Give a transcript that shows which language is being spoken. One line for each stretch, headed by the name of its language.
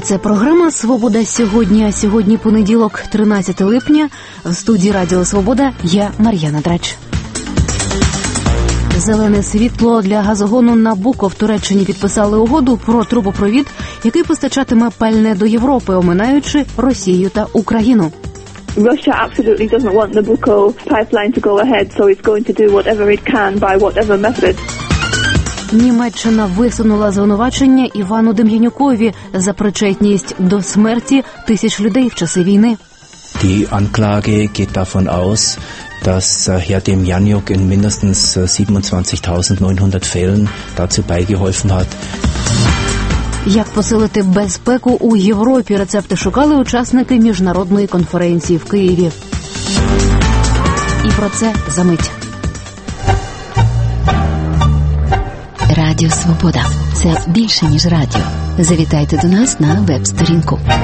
Ukrainian: Це програма «Свобода сьогодні», а сьогодні понеділок, 13 липня. В студії Радіо Свобода я Мар'яна Драч. Зелене світло для газогону «Набуко» в Туреччині підписали угоду про трубопровід, який постачатиме пальне до Європи, оминаючи Росію та Україну.
English: Russia absolutely doesn't want Nabucco pipeline to go ahead, so it's going to do whatever it can by whatever method.
Ukrainian: Німеччина висунула звинувачення Івану Дем'янюкові за причетність до смерті тисяч людей в часи війни.
German: Die Anklage geht davon aus, dass Herr Demjanjuk in mindestens 27.900 Fällen dazu beigeholfen hat.
Ukrainian: Як посилити безпеку у Європі? Рецепти шукали учасники міжнародної конференції в Києві. І про це за мить. Радіо Свобода – це більше, ніж радіо. Завітайте до нас на веб-сторінку.